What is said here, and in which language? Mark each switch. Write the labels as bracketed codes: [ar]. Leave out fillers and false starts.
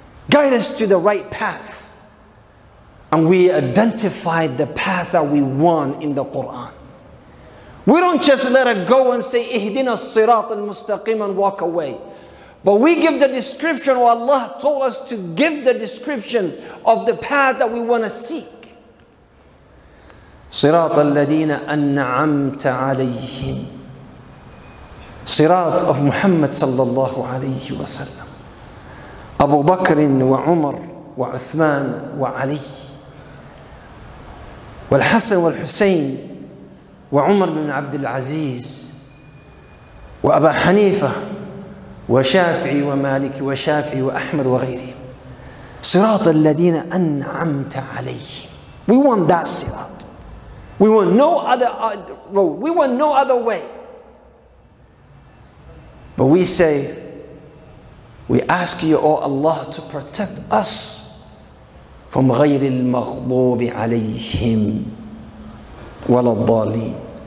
[en] Guide us to the right path. And we identify the path that we want in the Quran. We don't just let it go and say, Ihdina sirat al-mustaqim and walk away. But we give the description, or Allah told us to give the description of the path that we want to seek. [ar] صراط الذين أنعمت عليهم صراط [en] of [ar] محمد صلى الله عليه وسلم أبو بكر وعمر وعثمان وعلي والحسن والحسين وعمر بن عبد العزيز وأبا حنيفة وشافعي ومالك وشافعي وأحمد وغيرهم صراط الذين أنعمت عليهم. [en] We want that صراط. We want no other road. We want no other way. But we say, we ask you, O Allah, to protect us from [ar] غير المغضوب عليهم ولا الضالين.